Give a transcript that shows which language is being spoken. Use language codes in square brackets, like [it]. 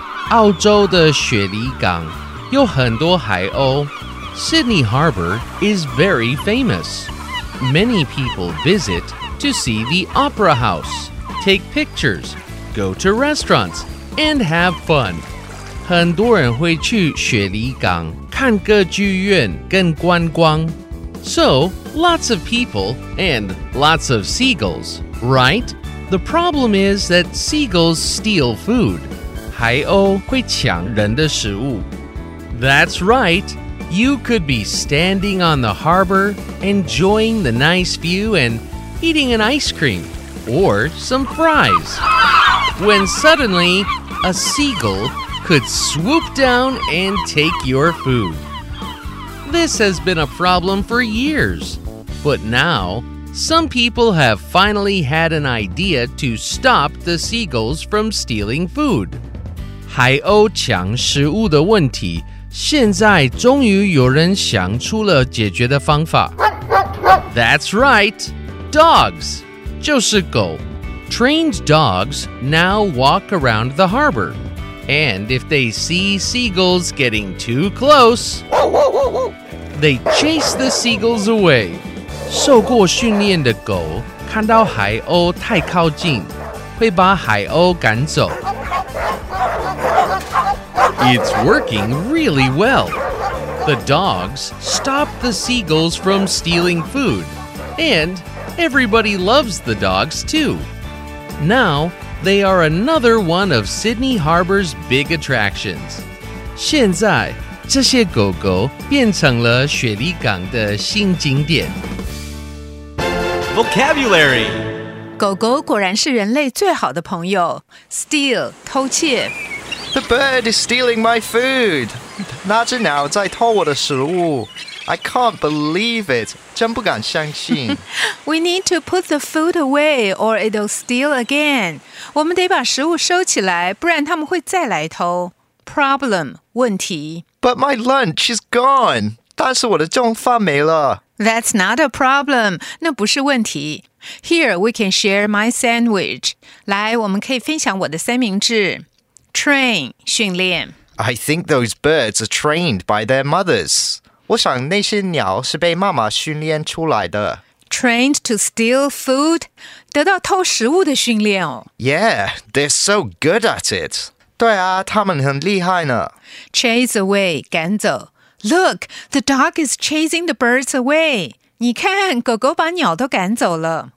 [zh] 澳洲的雪梨港有很多海鸥。 [en] Sydney Harbour is very famous. Many people visit to see the opera house, take pictures, go to restaurants, and have fun. [zh] 很多人会去雪梨港看歌剧院跟观光。 [en] So, lots of people and lots of seagulls, right? The problem is that seagulls steal food. [zh] 海鸥会抢人的食物。 [en] That's right! You could be standing on the harbor, enjoying the nice view and eating an ice cream or some fries. When suddenly, a seagull could swoop down and take your food. This has been a problem for years. But now, some people have finally had an idea to stop the seagulls from stealing food. [zh] 海鸥抢食物的问题现在终于有人想出了解决的方法。 [en] That's right! Dogs! [zh] 就是狗。 [en] Trained dogs now walk around the harbor. And if they see seagulls getting too close, they chase the seagulls away. [zh] 受过训练的狗看到海鸥太靠近，会把海鸥赶走。 [en] It's working really well. The dogs stop the seagulls from stealing food. And everybody loves the dogs too. Now, they are another one of Sydney Harbour's big attractions. [zh] 现在,这些狗狗变成了雪梨港的新景点。 [en] Vocabulary! [zh] 狗狗果然是人类最好的朋友。 [en] Steal, [zh] 偷窃。 [en] The bird is stealing my food. [zh] 那只鸟在偷我的食物。 [en] I can't believe it. [zh] 真不敢相信。 [en] We need to put the food away or it'll steal again. [zh] 我们得把食物收起来,不然他们会再来偷。 [en] Problem, [zh] 问题。 [en] But my lunch is gone. [zh] 但是我的中饭没了。 [en] That's not a problem. [zh] 那不是问题。 [en] Here, we can share my sandwich. [zh] 来,我们可以分享我的三明治。 [en] Train, [zh] 训练。 [en] I think those birds are trained by their mothers. [zh] 我想那些鸟是被妈妈训练出来的。 [en] Trained to steal food? [zh] 得到偷食物的训练哦。 [en] Yeah, they're so good at it. [zh] 对啊，他们很厉害呢。 [en] Chase away, [zh] 赶走。 [en] Look, the dog is chasing the birds away. [zh] 你看，狗狗把鸟都赶走了。